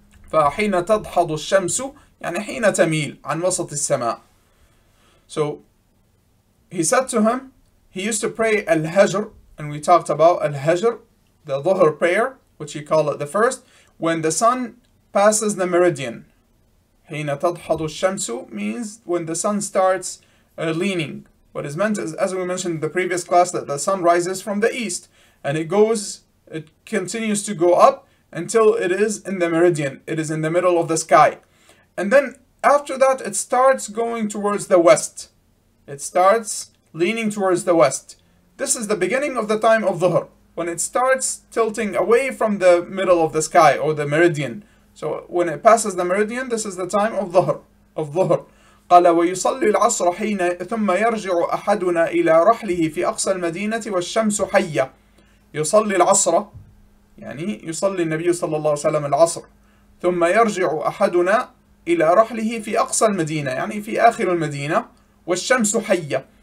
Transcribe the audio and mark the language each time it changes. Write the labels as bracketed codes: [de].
[ar] فحين تدحض الشمس يعني حين تميل عن وسط السماء. [en] So he said to him, he used to pray al-hajr, and we talked about al-hajr, the dhuhr prayer, which he called it the first, when the sun passes the meridian. [ar] حين تضحض الشمس [en] means when the sun starts leaning. What is meant is, as we mentioned in the previous class, that the sun rises from the east and it continues to go up until it is in the meridian. It is in the middle of the sky. And then after that, it starts going towards the west. It starts leaning towards the west. This is the beginning of the time of Dhuhr, when it starts tilting away from the middle of the sky or the meridian. So when it passes the meridian, this is the time of Dhuhr. Of Dhuhr. [ar] قال ويصلي العصر حين ثم يرجع أحدنا إلى رحله في أقصى المدينة والشمس حية. يصلي العصر، يعني يصلي النبي صلى الله عليه وسلم العصر، ثم يرجع أحدنا إلى رحله في أقصى المدينة، يعني في آخر المدينة، والشمس حية.